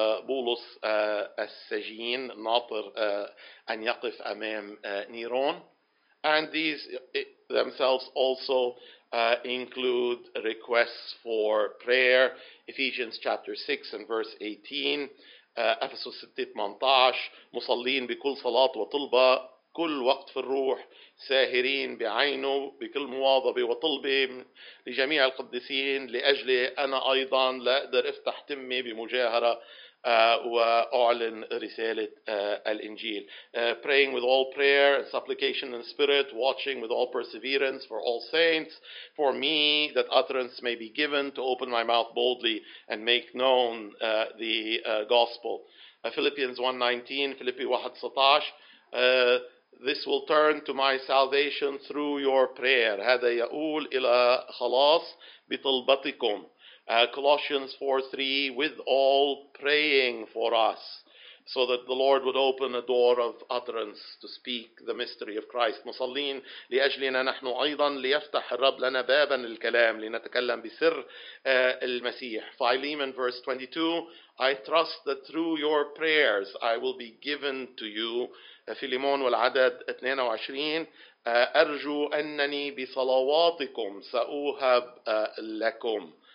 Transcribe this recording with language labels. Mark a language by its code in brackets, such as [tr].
[ar] بولس السجين ناطر أن يقف أمام نيرون. [en] And these themselves also include requests for prayer. Ephesians chapter 6 and verse 18. [ar] Ephesus 6:18 مصلين بكل صلاة وطلبة كل وقت في الروح ساهرين بعينه بكل مواظبة وطلبة لجميع القديسين لأجلي أنا أيضا لا أقدر أفتح تمي بمجاهرة وأعلن رسالة الإنجيل. [en] Praying with all prayer and supplication in spirit, watching with all perseverance for all saints, for me that utterance may be given to open my mouth boldly and make known the gospel. Philippians 1:19, Philippi 1:19, this will turn to my salvation through your prayer. [ar] هذا يقول إلى خلاص بطلبتكم. [en] Colossians 4:3, with all praying for us, so that the Lord would open a door of utterance to speak the mystery of Christ. [ar] مصلين لأجلنا نحن أيضا ليفتح الرب لنا بابا للكلام لنتكلم بسر المسيح. [en] Philemon verse 22, I trust that through your prayers I will be given to you. [ar] Philemon والعدد 22, أرجو أنني بصلواتكم سأوهب لكم.